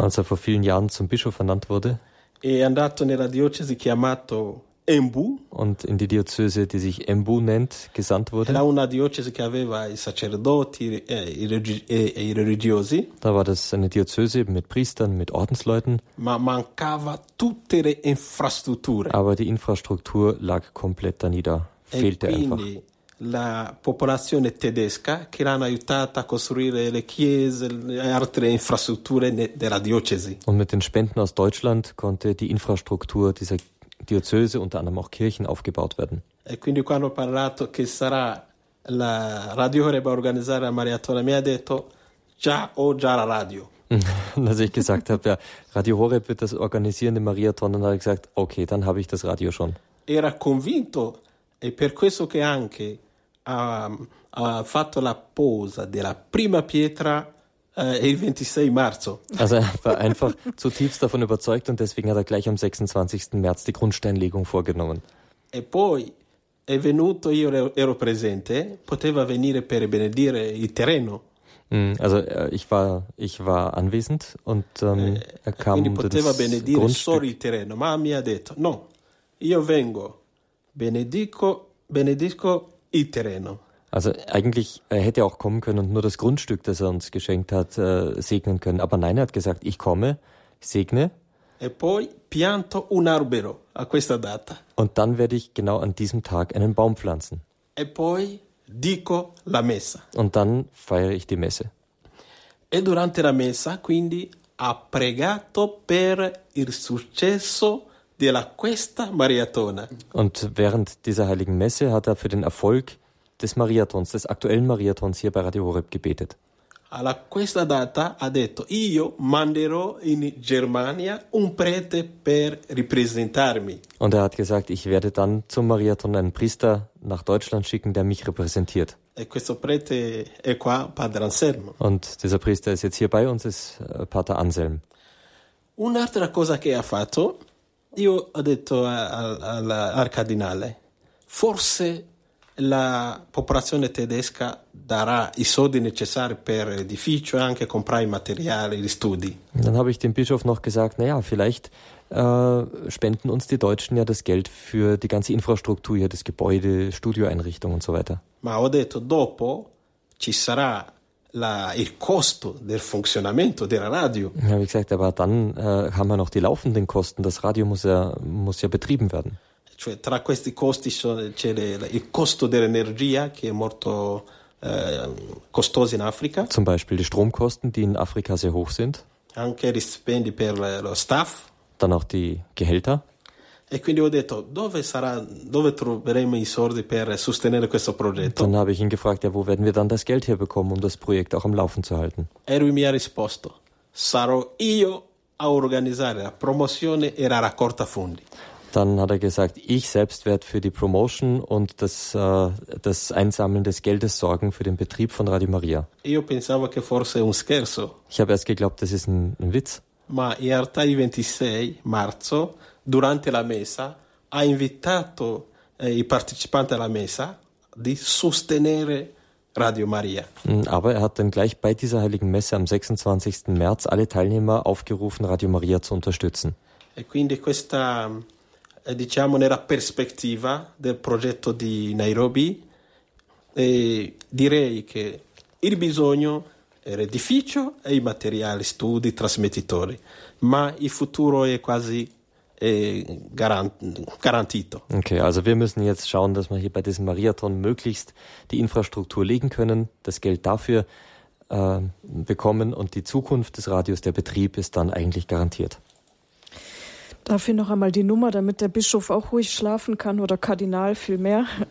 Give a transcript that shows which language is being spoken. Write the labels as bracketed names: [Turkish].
[German] als er vor vielen Jahren zum Bischof ernannt wurde, [Italian] è andato nella diocesi chiamato Embu, [German] und in die Diözese, die sich Embu nennt, gesandt wurde. [Italian] Era una diocesi che aveva i sacerdoti e i religiosi. [German] Da war das eine Diözese mit Priestern, mit Ordensleuten. [Italian] Ma mancava tutte le infrastrutture. [German] Aber die Infrastruktur lag komplett da nieder, fehlte [Italian] quindi [German] einfach. [Italian] La popolazione tedesca che l'hanno aiutata a costruire le chiese e altre infrastrutture della diocesi. [German] Und mit den Spenden aus Deutschland konnte die Infrastruktur dieser Diözese, unter anderem auch Kirchen, aufgebaut werden. [Italian] E quindi quando ho parlato che sarà la Radio Horeb a organizzare la maratona, mi ha detto già ho già la radio. [German] Und als ich gesagt habe, ja, Radio Horeb wird das organisieren im Marathon, dann habe ich gesagt, okay, dann habe ich das Radio schon. [Italian] Era convinto, e per questo che anche ha fatto la posa della prima pietra il 26 marzo. [German] Also er war einfach zutiefst davon überzeugt und deswegen hat er gleich am 26. März die Grundsteinlegung vorgenommen. [Italian] E poi è venuto, io ero presente, poteva venire per benedire il terreno. [German] Also ich war anwesend und er kam [Italian] quindi poteva benedire solo il terreno, ma mi ha detto no, io vengo, benedico il terreno. [German] Also eigentlich hätte er auch kommen können und nur das Grundstück, das er uns geschenkt hat, segnen können. Aber nein, er hat gesagt, ich komme, segne. [Italian] E poi pianto un albero a questa data. [German] Und dann werde ich genau an diesem Tag einen Baum pflanzen. [Italian] E poi dico la messa. [German] Und dann feiere ich die Messe. [Italian] E durante la messa, quindi, ha pregato per il successo della questa maratona. [German] Und während dieser heiligen Messe hat er für den Erfolg des Mariathons, des aktuellen Mariathons hier bei Radio Horeb gebetet. [Italian] Alla questa data ha detto: io manderò in Germania un prete per ripresentarmi. [German] Und er hat gesagt, ich werde dann zum Mariathon einen Priester nach Deutschland schicken, der mich repräsentiert. [Italian] E questo prete è qua, Padre Anselmo. [German] Und dieser Priester ist jetzt hier bei uns, ist Pater Anselm. [Italian] Un'altra cosa che ha fatto, io ho detto al cardinale, forse la popolazione tedesca darà i soldi necessari per l'edificio e anche comprare i materiali, gli studi. [German] Dann habe ich dem Bischof noch gesagt, naja, vielleicht spenden uns die Deutschen ja das Geld für die ganze Infrastruktur hier, das Gebäude, Studioeinrichtung und so weiter. [Italian] Ma ho detto, dopo ci sarà il costo del funzionamento della radio. [German] Ja, wie gesagt, aber dann haben wir noch die laufenden Kosten, das Radio muss ja betrieben werden. [Italian] Cioè, tra questi costi c'è il costo dell'energia, che è molto costoso in Africa. [German] Zum Beispiel die Stromkosten, die in Afrika sehr hoch sind. [Italian] Anche gli spendi per lo staff. [German] Dann auch die Gehälter. [Italian] E quindi ho detto, dove troveremo i soldi per sostenere questo progetto? [German] Dann habe ich ihn gefragt, ja, wo werden wir dann das Geld herbekommen, um das Projekt auch am Laufen zu halten? [Italian] E lui mi ha risposto, sarò io a organizzare la promozione e la raccolta fondi. [German] Dann hat er gesagt, ich selbst werde für die Promotion und das Einsammeln des Geldes sorgen für den Betrieb von Radio Maria. [Italian] Io pensavo che fosse un scherzo. [German] Ich habe erst geglaubt, das ist ein Witz. [Italian] Ma in realtà il 26 marzo, durante la messa, ha invitato i partecipanti alla messa di sostenere Radio Maria. [German] Aber er hat dann gleich bei dieser heiligen Messe am 26. März alle Teilnehmer aufgerufen, Radio Maria zu unterstützen. [Italian] E quindi questa, diciamo, nella perspectiva del progetto di Nairobi, direi che il bisogno è l'edificio e i materiali, studi, trasmettitori, ma il futuro è quasi garantito. [German] Okay, also wir müssen jetzt schauen, dass wir hier bei diesem Mariathon möglichst die Infrastruktur legen können, das Geld dafür bekommen und die Zukunft des Radios, der Betrieb ist dann eigentlich garantiert. Darf ich noch einmal die Nummer, damit der Bischof auch ruhig schlafen kann oder Kardinal vielmehr?